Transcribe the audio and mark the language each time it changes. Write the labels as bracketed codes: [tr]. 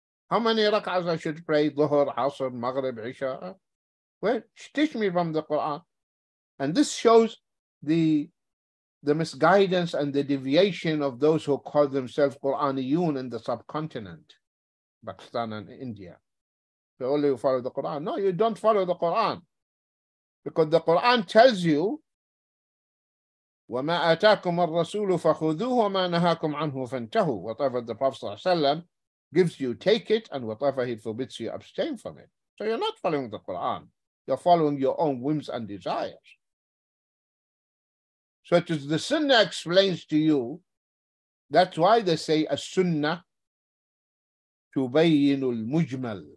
[en] How many rak'ahs I should pray? Dhuhr, Asr, Maghrib, Isha? Well, teach me from the Quran. And this shows the misguidance and the deviation of those who call themselves Quraniyun in the subcontinent, Pakistan and India. They only follow the Quran. No, you don't follow the Quran. [ar] Because the Quran tells you, وَمَا أَتَاكُمَ الرَّسُولُ فَخُذُوهُ وَمَا نَهَاكُمْ عَنْهُ فَانْتَهُوا. [en] Whatever the Prophet ﷺ gives you, take it, and whatever he forbids you, abstain from it. So you're not following the Quran. You're following your own whims and desires. So it is the Sunnah explains to you, that's why they say a Sunnah تُبَيِّنُ الْمُجْمَلُ.